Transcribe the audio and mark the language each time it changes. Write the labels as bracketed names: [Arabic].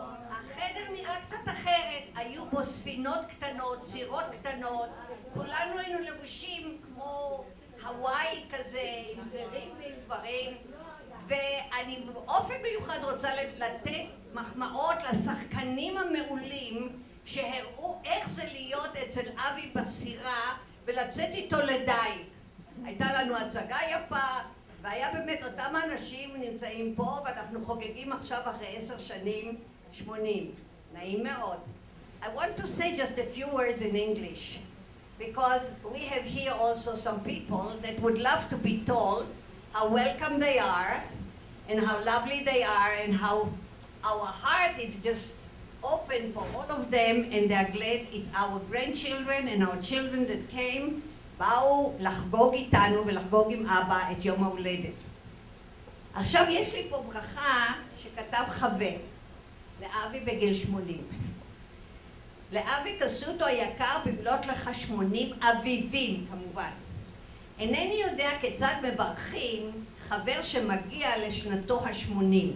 [Hebrew] החדר נראה קצת אחרת, היו בו ספינות קטנות, צירות קטנות, כולנו היינו לבושים כמו הוואי כזה, עם זרים ועם דברים, ואני באופן מיוחד רוצה לתת מחמאות לשחקנים המעולים שהראו איך זה להיות אצל אבי בסירה ולצאת איתו לדייק. הייתה לנו הצגה יפה, והיה באמת אותם אנשים נמצאים פה, ואנחנו חוגגים עכשיו אחרי 10 שנים, 80. נעים מאוד. [English] I want to say just a few words in English, because we have here also some people that would love to be told how welcome they are, and how lovely they are, and how our heart is just open for all of them, and they are glad it's our grandchildren and our children that came, [Hebrew] באו לחגוג איתנו ולחגוג עם אבא את יום ההולדת. עכשיו יש לי פה ברכה שכתב חווה לאבי בגיל 80. לאבי קסוטו היקר בבלות לך 80 אביבים, כמובן. אינני יודע כיצד מברכים חבר שמגיע לשנתו ה-80.